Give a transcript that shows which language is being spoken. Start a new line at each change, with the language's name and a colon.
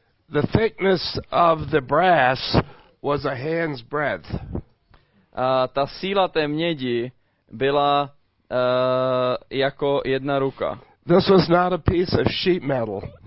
English: The thickness of the brass was a hand's breadth.
Czech: Ta síla té mědi byla jako jedna ruka.
English: This was not a piece of sheet metal.